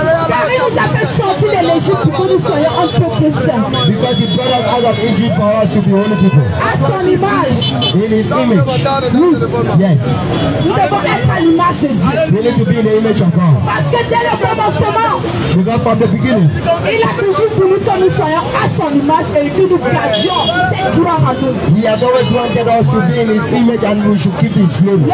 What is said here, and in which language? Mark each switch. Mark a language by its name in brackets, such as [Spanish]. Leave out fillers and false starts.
[French] Car il nous a fait sortir de l'Égypte pour nous soyons un peuple saint. [English] Because he brought us out of Egypt for us to be holy people. [French] À son image. [English] In his image. Yes. [French] Nous devons être à l'image de Dieu. [English] We need to be in the image of God. [French] Parce que dès le commencement. [English] Because from the beginning. [French] Il a toujours voulu que nous soyons à son image et que nous gardions cette gloire à nous. [English] He has always wanted us to be in his image and we should keep his name.